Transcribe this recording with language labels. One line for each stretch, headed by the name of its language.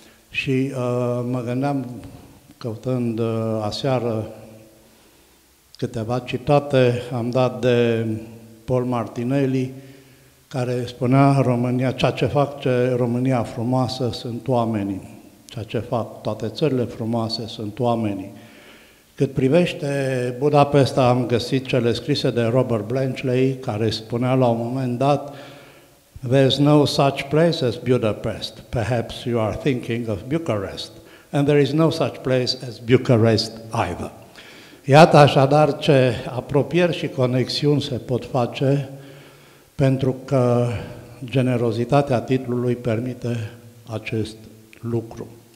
Romanian: Și mă gândeam, căutând aseară câteva citate, am dat de Paul Martinelli, care spunea România, ceea ce face România frumoasă sunt oamenii, ceea ce fac toate țările frumoase sunt oamenii. Cât privește Budapesta, am găsit cele scrise de Robert Blatchley, care spunea la un moment dat,
English: there's no such place as Budapest, perhaps you are thinking of Bucharest, and there is no such place as Bucharest either.
Romanian: Iată așadar ce apropieri și conexiuni se pot face, pentru că generozitatea titlului permite acest lucru.